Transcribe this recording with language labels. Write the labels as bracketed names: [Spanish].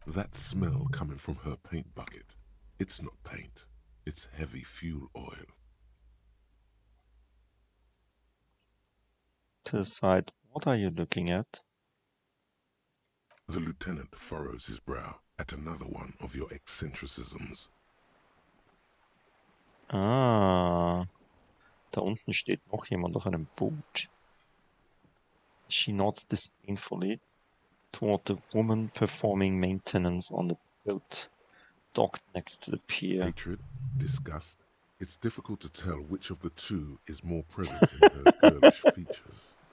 [English] That smell coming from her paint bucket. It's not paint. It's heavy fuel oil. To the side, what are you looking at? The lieutenant furrows his brow at another one of your eccentricisms. [German] Ah, da unten steht noch jemand auf einem Boot. [English] She nods disdainfully toward the woman performing maintenance on the boat. Docked next to the pier. Hatred, disgust. It's difficult to tell which of the two is more present in her girlish features.